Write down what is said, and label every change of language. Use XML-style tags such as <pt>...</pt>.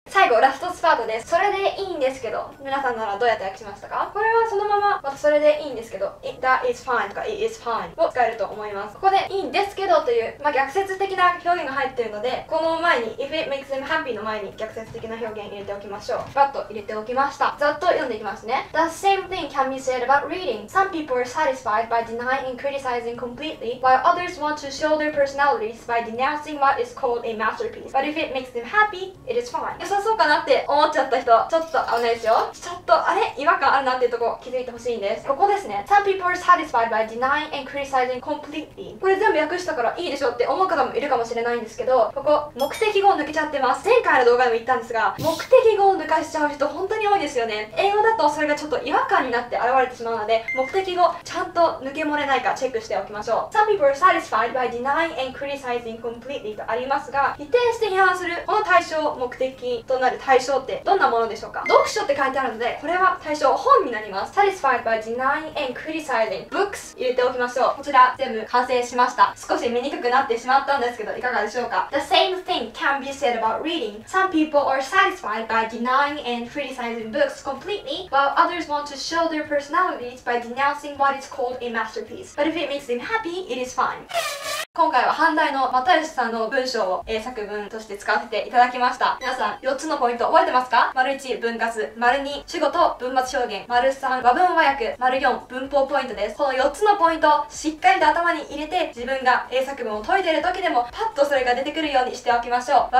<ja>最後ラストスパートです。それでいいんですけど、皆さんならどうやって訳しましたか？これはそのまま、またそれでいいんですけど、</ja> <en>It, That is fine</en> <ja>とか</ja> <en>It is fine</en> <ja>を使えると思います。ここでいいんですけどという、まあ、逆説的な表現が入っているので、この前に</ja> <en>If it makes them happy</en> <ja>の前に逆説的な表現入れておきましょう。バッと入れておきました。ざっと読んでいきますね。</ja> <en>The same thing can be said about reading. Some people are satisfied by denying and criticizing completely, while others want to show their personalities by denouncing what is called a masterpiece. But if it makes them happyIt is fine.</en> <ja>良さそうかなって思っちゃった人、ちょっと危ないですよ。ちょっとあれ違和感あるなっていうとこ気づいてほしいんです。ここですね。</ja> <en>Some people are satisfied by denying and criticizing completely。</en> <ja>これ全部訳したからいいでしょって思う方もいるかもしれないんですけど、ここ目的語を抜けちゃってます。前回の動画でも言ったんですが、目的語を抜かしちゃう人本当に多いですよね。英語だとそれがちょっと違和感になって現れてしまうので、目的語ちゃんと抜け漏れないかチェックしておきましょう。</ja> <en>Some people are satisfied by denying and criticizing completely</en> <ja>とありますが、否定して批判するこの対象、目的となる対象ってどんなものでしょうか？読書って書いてあるので、これは対象、本になります。</ja> <en>Satisfied by denying and criticizing books</en> <ja>入れておきましょう。こちら全部完成しました。少し見にくくなってしまったんですけど、いかがでしょうか？</ja> <en>The same thing can be said about reading. Some people are satisfied by denying and criticizing books completely, while others want to show their personalities by denouncing what is called a masterpiece. But if it makes them happy, it is fine.</en> <ja>今回は阪大の又吉さんの文章を英作文として使わせていただきました。皆さん4つのポイント覚えてますか？ 1、分割。2、主語と文末表現。3、和文和訳。 4、文法ポイントです。この4つのポイントしっかりと頭に入れて、自分が英作文を解いている時でもパッとそれが出てくるようにしておきましょう。</ja>